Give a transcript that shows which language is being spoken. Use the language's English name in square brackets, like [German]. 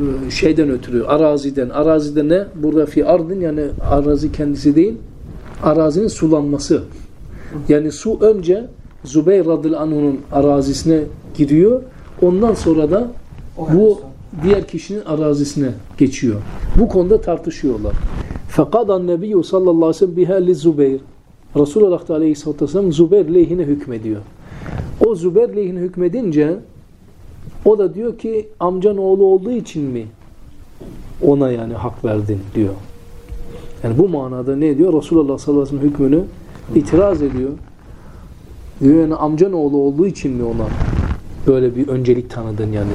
[Turkish] Şeyden ötürü arazide ne? Burada fi ardın yani arazi kendisi değil. Arazinin sulanması. Yani su önce Zubeyr Radul Anhu'nun arazisine giriyor. Ondan sonra da bu diğer kişinin arazisine geçiyor. Bu konuda tartışıyorlar. [Arabic] فَقَدَ النَّبِيُّ صَلَّى اللّٰهِ سَلَّمْ بِهَا لِزُّبَيْرِ [Turkish] Resulullah Aleyhisselatü Vesselam Zubeyr lehine hükmediyor. O Zubeyr lehine hükmedince o da diyor ki amcan oğlu olduğu için mi ona yani hak verdin diyor. Yani bu manada ne diyor? Resulullah Sallallahu Aleyhi Vesselam hükmünü itiraz ediyor. Diyor yani amcan oğlu olduğu için mi ona böyle bir öncelik tanıdın yani.